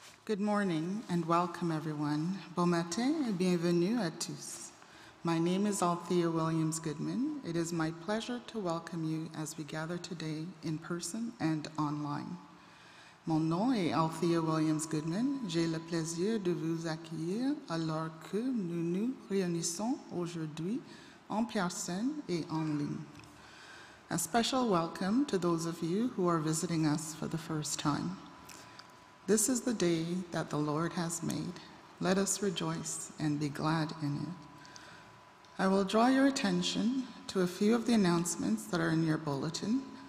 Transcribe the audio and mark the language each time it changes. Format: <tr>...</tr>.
<en>Good morning and welcome, everyone.</en> <fr>Bon matin et bienvenue à tous.</fr> <en>My name is Althea Williams Goodman. It is my pleasure to welcome you as we gather today in person and online.</en> <fr>Mon nom est Althea Williams Goodman. J'ai le plaisir de vous accueillir alors que nous nous réunissons aujourd'hui en personne et en ligne.</fr> <en>A special welcome to those of you who are visiting us for the first time. This is the day that the Lord has made. Let us rejoice and be glad in it. I will draw your attention to a few of the announcements that are in your bulletin.</en>